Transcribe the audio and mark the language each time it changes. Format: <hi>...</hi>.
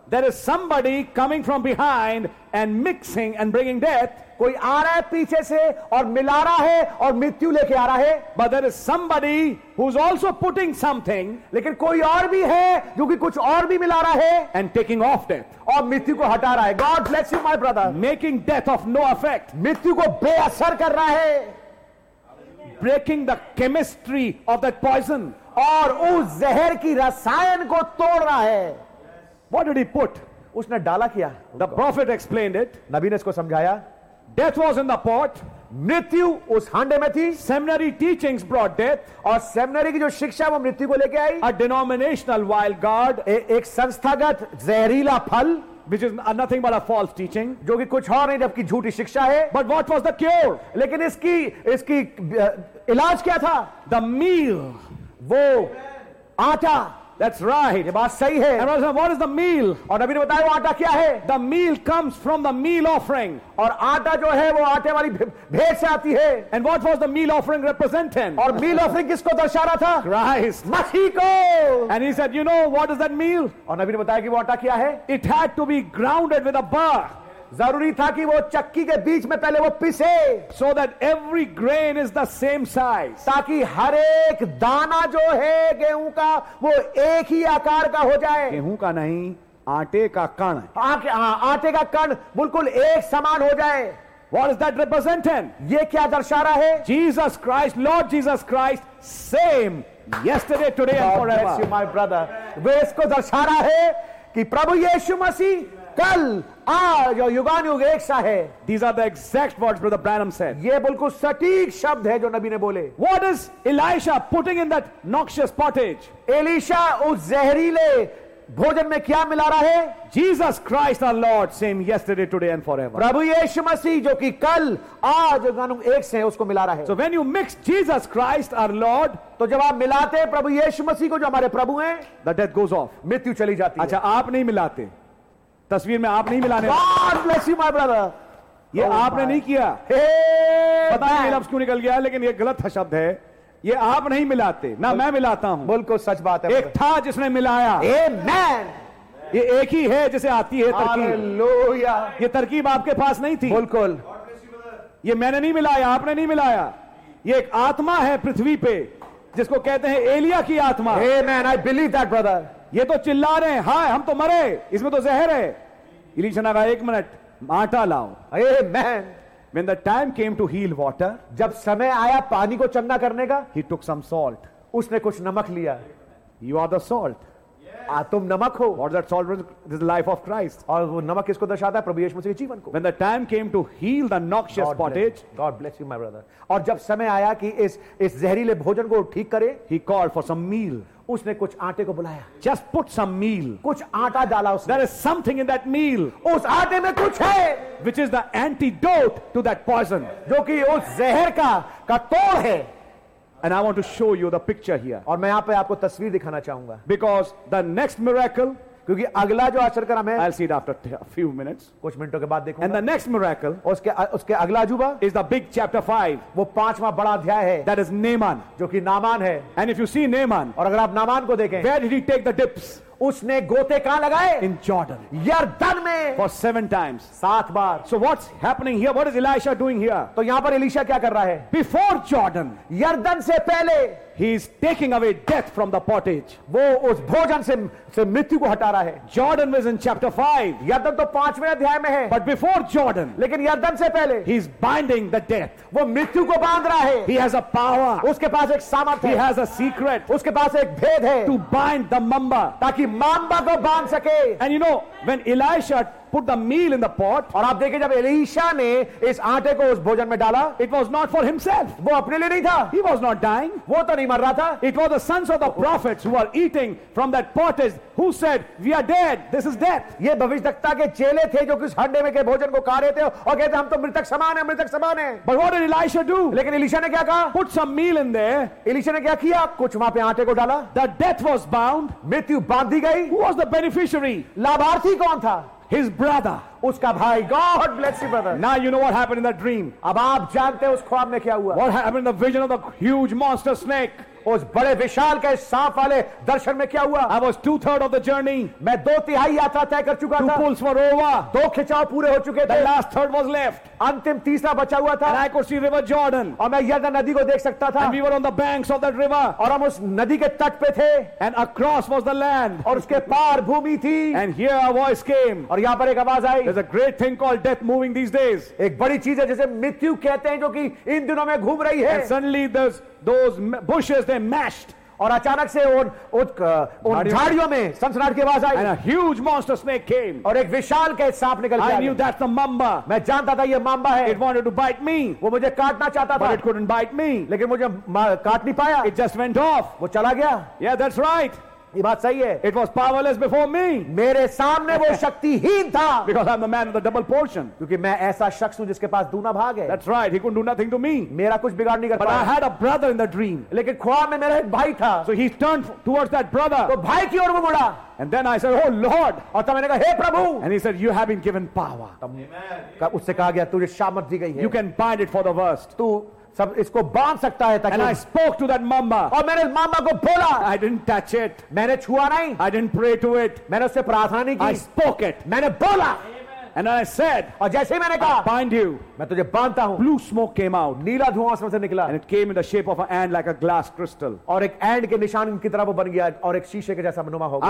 <en>There is somebody coming from behind and mixing and bringing death.</en> <hi>कोई आ रहा है पीछे से और मिला रहा है और मृत्यु लेके आ रहा है.</hi> <en>But there is somebody who's also putting something.</en> <hi>लेकिन कोई और भी है जो कि कुछ और भी मिला रहा है.</hi> <en>And taking off death.</en> <hi>और मृत्यु को हटा रहा है.</hi> <en>God bless you, my brother. Making death of no effect.</en> <hi>मृत्यु को बेअसर कर रहा है.</hi> <en>Breaking the chemistry of that poison.</en> <hi>और उस जहर की रसायन को तोड़ रहा है.</hi> <en>What did he put?</en> <hi>उसने डाला क्या?</hi> <en>The prophet explained it.</en> <hi>नबी ने इसको समझाया.</hi> <en>Death was in the pot.</en> <hi>मृत्यु उस हांडे में थी.</hi> <en>Seminary teachings brought death.</en> <hi>और सेमिनरी की जो शिक्षा वो मृत्यु को लेके आई.</hi> <en>A denominational wild gourd.</en> <hi>एक संस्थागत जहरीला फल.</hi> <en>Which is nothing but a false teaching.</en> <hi>जो कि कुछ और नहीं जबकि झूठी शिक्षा है.</hi> <en>But what was the cure?</en> <hi>लेकिन इसकी इसकी इलाज क्या था?</hi> <en>The meal.</en> <hi>वो आटा.</hi> <en>That's right.</en> <hi>ये बात सही है.</hi> <en>And what is the meal?</en> <hi>और नबी ने बताया वो आटा क्या है?</hi> <en>The meal comes from the meal offering.</en> <hi>और आटा जो है वो आटे वाली भेंट से आती है.</hi> <en>And what was the meal offering representing?</en> <hi>और</hi> <en>meal offering</en> <hi>किसको दर्शा रहा था?</hi> <en>Christ.</en> <hi>मसीह को.</hi> <en>And he said, you know, what is that meal?</en> <hi>और नबी ने बताया कि वो आटा क्या है?</hi> <en>It had to be grounded with a bar.</en> <hi>जरूरी था कि वो चक्की के बीच में पहले वो पिसे.</hi> <en>So that every grain is the same size.</en> <hi>ताकि हर एक दाना जो है गेहूं का वो एक ही आकार का हो जाए. गेहूं का नहीं, आटे का कण. आटे का कण बिल्कुल एक समान हो जाए.</hi> <en>What is that representing?</en> <hi>ये क्या दर्शा रहा है?</hi> <en>Jesus Christ, Lord Jesus Christ, same yesterday, today and forever. Bless you, my brother.</en> <hi>वे इसको दर्शा रहा है कि प्रभु यीशु मसीह कल आज और युगानुयुग एक सा है.</hi> <en>These are the exact words Brother Branham said.</en> <hi>ये बिल्कुल सटीक शब्द है जो नबी ने बोले.</hi> <en>What is Elisha putting in that noxious pottage?</en> <hi>Elisha उस जहरीले भोजन में क्या मिला रहा है?</hi> <en>Jesus Christ our Lord, same yesterday, today and forever.</en> <hi>प्रभु यीशु मसीह जो कि कल, आज और एक से उसको मिला रहा है.</hi> <en>So when you mix Jesus Christ our Lord,</en> <hi>तो जब आप मिलाते हैं प्रभु यीशु मसीह को जो हमारे प्रभु हैं,</hi> <en>the death goes off.</en> <hi>मृत्यु चली जाती अच्छा, है. आप नहीं मिलाते तस्वीर में, आप नहीं मिलाने. God bless you, my brother. ये आपने नहीं किया. पता नहीं लफ्ज क्यों निकल गया, लेकिन ये गलत शब्द है. ये आप नहीं मिलाते ना मैं मिलाता हूं. बिल्कुल सच बात है. एक था जिसने मिलाया.</hi> <en>Amen.</en> <hi>ये एक ही है जिसे आती है तरकीब. हालेलुया. ये तरकीब आपके पास नहीं थी. बिल्कुल. ये मैंने नहीं मिलाया, आपने नहीं मिलाया. ये एक आत्मा है पृथ्वी पे जिसको कहते हैं एलिया की आत्मा.</hi> <en>Amen. I believe that, brother.</en> <hi>ये तो चिल्ला रहे हैं, हाय हम तो मरे, इसमें तो जहर है. इलीशा ने कहा एक मिनट आटा लाओ.</hi> <en>Amen. When the time came to heal water,</en> <hi>जब समय आया पानी को चंगा करने का,</hi> <en>he took some salt.</en> <hi>उसने कुछ नमक लिया.</hi> <en>You are the salt.</en> <hi>आ तुम नमक हो.</hi> <en>What that salt was, this is the life of Christ.</en> <hi>और वो नमक किसको दर्शाता है? प्रभु यीशु मसीह के जीवन को.</hi> <en>When the time came to heal the noxious pottage, God bless you, my brother.</en> <hi>और जब समय आया कि इस जहरीले भोजन को ठीक करे,</hi> <en>he called for some meal.</en> <hi>उसने कुछ आटे को बुलाया.</hi> <en>Just put some meal.</en> <hi>कुछ आटा डाला उसने.</hi> <en>There is something in that meal.</en> <hi>उस आटे में कुछ है.</hi> <en>Which is the antidote to that poison.</en> <hi>जो कि उस जहर का तोड़ है.</hi> <en>And I want to show you the picture here.</en> <hi>और मैं यहाँ पे आपको तस्वीर दिखाना चाहूँगा.</hi> <en>Because the next miracle.</en> <hi>क्योंकि अगला जो आश्चर्यकर्म है,</hi> <en>I'll see it after a few minutes.</en> <hi>कुछ मिनटों के बाद देखूंगा.</hi> <en>And the next miracle,</en> <hi>उसके अगला अजूबा,</hi> <en>is the big chapter 5.</en> <hi>वो पांचवा बड़ा अध्याय है.</hi> <en>That is Naaman.</en> <hi>जो कि नामान है.</hi> <en>And if you see Naaman,</en> <hi>और अगर आप नामान को देखें,</hi> <en>where did he take the dips?</en> <hi>उसने गोते कहां लगाए?</hi> <en>In Jordan.</en> <hi>यर्दन में.</hi> <en>For 7 times.</en> <hi>7 bar.</hi> <en>So what's happening here? What is Elisha doing here?</en> <hi>तो यहां पर एलिशा क्या कर रहा है?</hi> <en>Before Jordan.</en> <hi>यर्दन से पहले.</hi> <en>He is taking away death from the pottage.</en> <hi>वो उस भोजन से मृत्यु को हटा रहा है.</hi> <en>Jordan was in chapter 5.</en> <hi>यर्दन तो पांचवें अध्याय में है.</hi> <en>But before Jordan.</en> <hi>लेकिन यर्दन से पहले.</hi> <en>He is binding the death.</en> <hi>वो मृत्यु को बांध रहा है.</hi> <en>He has a power.</en> <hi>उसके पास एक सामर्थ्य.</hi> <en>He has a secret.</en> <hi>उसके पास एक भेद है.</hi> <en>To bind the mamba.</en> <hi>ताकि मांबा को बांध सके.</hi> <en>And you know, when Elisha put the meal in the pot.</en> <hi>और आप देखें जब एलिशा ने इस आटे को उस भोजन में डाला.</hi> <en>It was not for himself.</en> <hi>वो अपने लिए नहीं था.</hi> <en>He was not dying.</en> <hi>वो तो नहीं मर रहा था.</hi> <en>It was the sons of the prophets who were eating from that pottage who said, "We are dead. This is death."</en> <hi>ये भविष्यद्वक्ता के चेले थे जो कि उस हंडे में के भोजन को खा रहे थे और कहते हम तो मृतक समान हैं, मृतक समान हैं.</hi> <en>But what did Elisha do?</en> <hi>लेकिन एलिशा ने क्या कहा?</hi> <en>Put some meal in there.</en> <hi>Elisha ने क्या किया? कुछ वहाँ पे आटे को डाला.</hi> <en>The death was bound.</en> <hi>मृत्यु बांध दी गई.</hi> <en>Who was the beneficiary?</en> <hi>लाभार्थी कौन था?</hi> <en>His brother.</en> <hi>उसका भाई.</hi> <en>God bless you, brother. Now you know what happened in that dream.</en> <hi>अब आप जानते हैं उस ख्वाब में क्या हुआ.</hi> <en>What happened in the vision of the huge monster snake.</en> <hi>उस बड़े विशाल के सांप वाले दर्शन में क्या हुआ?</hi> <en>I was 2/3 of the journey.</en> <hi>मैं 2/3 यात्रा तय कर चुका था.</hi> <en>2 pulls were over.</en> <hi>दो खिंचाव पूरे हो चुके थे.</hi> <en>The last third was left.</en> <hi>अंतिम तीसरा बचा हुआ था.</hi> <en>And I could see River Jordan.</en> <hi>और मैं यर्दन नदी को देख सकता था.</hi> <en>And we were on the banks of that river.</en> <hi>और हम उस नदी के तट पे थे.</hi> <en>And across was the land.</en> <hi>और उसके पार भूमि थी.</hi> <en>And here a voice came.</en> <hi>और यहाँ पर एक आवाज आई.</hi> <en>There's a great thing called death moving these days.</en> <hi>एक बड़ी चीज है जिसे मृत्यु कहते हैं जो कि इन दिनों में घूम रही है.</hi> <en>And suddenly those bushes they mashed.</en> <hi>और अचानक से उन झाड़ियों में सनसनाहट की आवाज आई.</hi> <en>And a huge monster snake came.</en> <hi>और एक विशाल के सांप निकल गया.</hi> <en>I knew that's the mamba.</en> <hi>मैं जानता था ये मामबा है.</hi> <en>It wanted to bite me.</en> <hi>वो मुझे काटना चाहता था.</hi> <en>But it couldn't bite me.</en> <hi>लेकिन मुझे काट नहीं पाया.</hi> <en>It just went off.</en> <hi>वो चला गया.</hi> <en>Yeah, that's right.</en> <hi>ये बात सही है.</hi> <en>It was powerless before me.</en> <hi>मेरे सामने वो शक्तिहीन था.</hi> <en>Because I'm the man of the double portion.</en> <hi>क्योंकि मैं ऐसा शख्स हूँ जिसके पास दूना भाग है.</hi> <en>That's right. He couldn't do nothing to me.</en> <hi>मेरा कुछ बिगाड़ नहीं कर पाया.</hi> <en>But I had a brother in the dream.</en> <hi>लेकिन ख्वाब में मेरा एक भाई था.</hi> <en>So he turned towards that brother.</en> <hi>तो भाई की ओर वो मुड़ा.</hi> <en>And then I said, "Oh Lord!"</en> <hi>और तब मैंने कहा, "Hey Prabhu!"</hi> <en>And he said, "You have been given power." Amen.</en> <hi>उससे कहा गया, तुझे सामर्थ्य दी गई है.</hi> <en>You can bind it for the worst.</en> <hi>तू सब इसको बांध सकता है.</hi> <en>And I spoke to that mamba.</en> <hi>और मैंने इस मामा को बोला.</hi> <en>I didn't touch it.</en> <hi>मैंने छुआ नहीं.</hi> <en>I didn't pray to it.</en> <hi>मैंने उससे प्रार्थना नहीं की.</hi> <en>I spoke it.</en> <hi>मैंने बोला.</hi> <en>And I said,</en> <hi>और जैसे ही मैंने कहा,</hi> <en>I bind you.</en> <hi>मैं तुझे बांधता हूँ.</hi> <en>Blue smoke came out.</en> <hi>नीला धुआं उसमें से निकला.</hi> <en>And it came in the shape of an ant like a glass crystal.</en> <hi>और एक ant के निशान की तरह वो बन गया और एक शीशे के जैसा बनुमा हो गया.</hi>